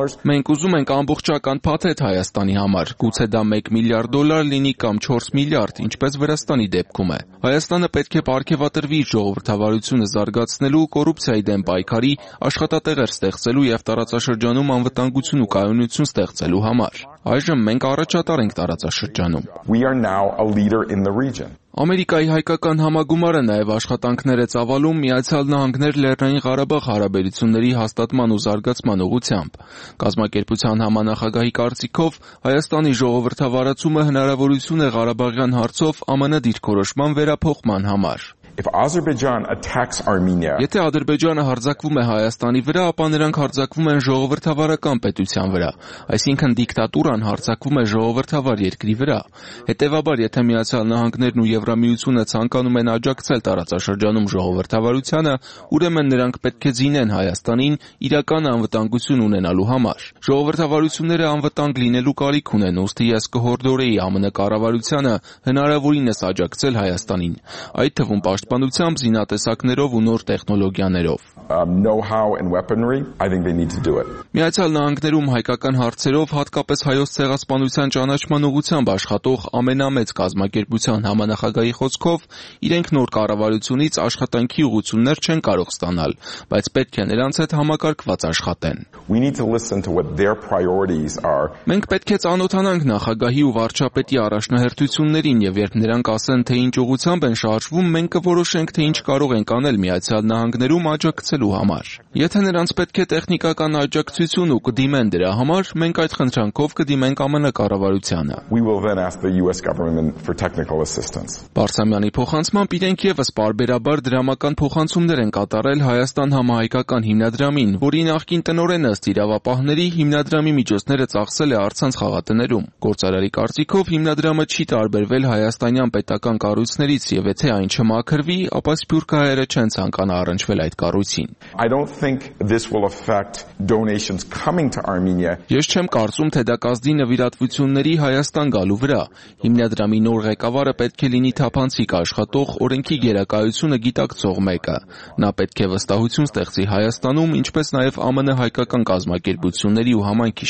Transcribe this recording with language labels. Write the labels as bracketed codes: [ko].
[hy] Մենք ուզում ենք ամբողջական փաթեթ Հայաստանի համար, գուցե դա 1 միլիարդ դոլար լինի կամ 4 միլիարդ, ինչպես Վրաստանի դեպքում է։ Հայաստանը պետք է պարգևատրվի ժողովրդավարությունը զարգացնելու, կոռուպցիայի դեմ պայքարի, աշխատատեղեր ստեղծելու եւ տարածաշրջանում անվտանգություն ու կայունություն ստեղծելու համար։ Այժմ մենք առաջատար ենք տարածաշրջանում։ [en] We are now a leader in the region. [hy] Ամերիկայի հայկական համագումարը նաև աշխատանքներ է ծավալում Միացյալ Նահանգներ Լեռնային Ղարաբաղ հարաբերությունների հաստատման ու զարգացման ուղղությամբ։ Կազմակերպության համանախագահի կարծիքով Հայաստանի ժողովրդավարացումը հնարավորություն է Ղարաբաղյան հարցով ԱՄՆ դիրքորոշման վերափոխման համար։ [en] If Azerbaijan attacks Armenia. [hy] Եթե Ադրբեջանը հարձակվում է Հայաստանի վրա, ապա նրանք հարձակվում են ժողովրդավարական պետության վրա, այսինքն դիկտատուրան հարձակվում է ժողովրդավար երկրի վրա։ Հետևաբար, եթե Միացյալ Նահանգներն ու Եվրամիությունը ցանկանում են աջակցել տարածաշրջանում ժողովրդավարությանը, ուրեմն նրանք պետք է զինեն Հայաստանին իրական անվտանգություն ունենալու համար։ Ժողովրդավարությունները անվտանգ լինելու կարիք ունեն, ուստի ես կհորդորեի ԱՄՆ կառավարությանը հնարավորինս աջակցել Հայաստանին։ Այդ թվում պաշտպանությամբ, զինատեսակներով ու նոր տեխնոլոգիաներով։ [en] Know-how and weaponry, I think they need to do it. [hy] Միացյալ Նահանգներում հայկական հարցերով հատկապես հայոց ցեղասպանության ճանաչման ուղղությամբ աշխատող ամենամեծ կազմակերպության համանախագահի խոսքով, իրենք նոր կառավարությունից աշխատանքի ուղություններ չեն կարող ստանալ, բայց պետք է նրանց հետ համակարգված աշխատեն։ [en] We need to listen to what their priorities are. [hy] Մենք պետք է ծանոթանանք նախագահի ու վարչապետի առաջնահերթություններին եւ երբ նրանք ասեն, թե ինչ ուղությամբ են շարժվում, մենք կորոշենք, թե ինչ կարող ենք անել Միացյալ Նահանգներում աջակցելու համար։ Եթե նրանց պետք է տեխնիկական աջակցություն ու կդիմեն դրա համար, մենք այդ խնդրանքով կդիմենք ԱՄՆ կառավարությանը։ [en] We will then ask the US government for technical assistance. [hy] Բարսամյանի փոխանցման իրենք եւս բարբերաբար դրամական փոխանցումներ են կատարել Հայաստան համահայկական հիմնադրամին, որի նախկին տնօրենը ըստ իրավապահների հիմնադրամի միջոցները ծախսել է առցանց խաղատներում։ Գործարարի կարծիքով հիմնադրամը չի տարբերվել հայաստանյան պետական կառույցներից եւ եթե այն չմաքրվի, ապա սփյուռքահայերը չեն ցանկանա առնչվել այդ կառույցին։ [en] I don't think this will affect donations coming to Armenia. [hy] Ես չեմ կարծում, թե դա կազդի նվիրատվությունների Հայաստան գալու վրա։ Հիմնադրամի նոր ղեկավարը պետք է լինի թափանցիկ աշխատող, օրենքի գերակայությունը գիտակցող մեկը։ Նա պետք է վստահություն ստեղծի Հայաստանում, ինչպես նաև ԱՄՆ հայկական կազմակերպությունների ու համայնքի